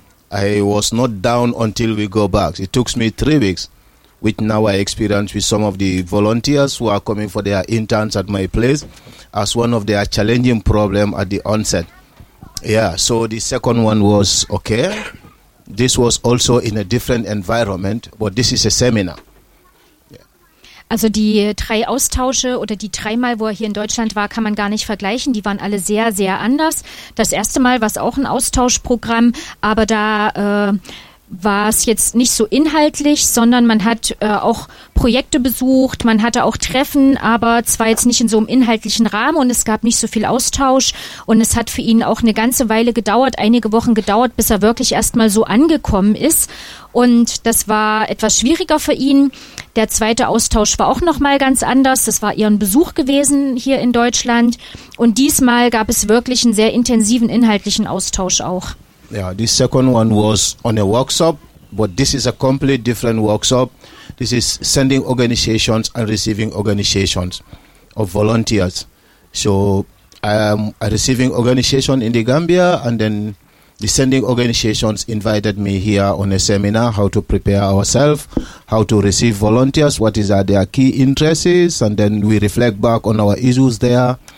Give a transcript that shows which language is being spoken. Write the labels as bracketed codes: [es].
[en] I was not down until we go back. It took me 3 weeks, which now I experience with some of the volunteers who are coming for their interns at my place as one of their challenging problems at the onset. Yeah, so the second one was okay. This was also in a different environment, but this is a seminar. [de] Also die drei Austausche oder die dreimal, wo er hier in Deutschland war, kann man gar nicht vergleichen. Die waren alle sehr, sehr anders. Das erste Mal war es auch ein Austauschprogramm, aber da war es jetzt nicht so inhaltlich, sondern man hat auch Projekte besucht, man hatte auch Treffen, aber zwar jetzt nicht in so einem inhaltlichen Rahmen und es gab nicht so viel Austausch. Und es hat für ihn auch eine ganze Weile gedauert, einige Wochen gedauert, bis er wirklich erstmal so angekommen ist. Und das war etwas schwieriger für ihn. Der zweite Austausch war auch nochmal ganz anders. Das war ihren Besuch gewesen hier in Deutschland. Und diesmal gab es wirklich einen sehr intensiven inhaltlichen Austausch auch. [en] Yeah, the second one was on a workshop, but this is a completely different workshop. This is sending organizations and receiving organizations of volunteers. So I am a receiving organization in the Gambia, and then the sending organizations invited me here on a seminar, how to prepare ourselves, how to receive volunteers, what is their key interests, and then we reflect back on our issues there.